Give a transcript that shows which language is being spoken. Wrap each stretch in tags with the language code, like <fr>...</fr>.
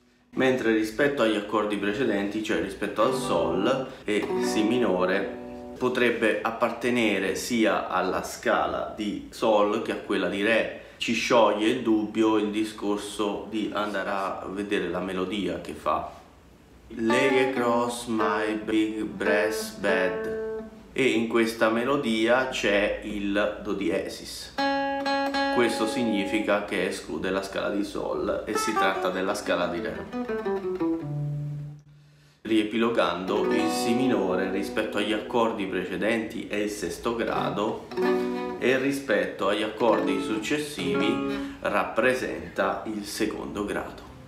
<it>Mentre rispetto agli accordi precedenti, cioè rispetto al Sol e Si minore, potrebbe appartenere sia alla scala di Sol che a quella di Re. Ci scioglie il dubbio il discorso di andare a vedere la melodia che fa.</it> <en>Lay across my big brass bed.</en> <it>E in questa melodia c'è il Do diesis. Questo significa che esclude la scala di Sol e si tratta della scala di Re. Riepilogando, il Si minore rispetto agli accordi precedenti è il sesto grado e rispetto agli accordi successivi rappresenta il secondo grado.</it>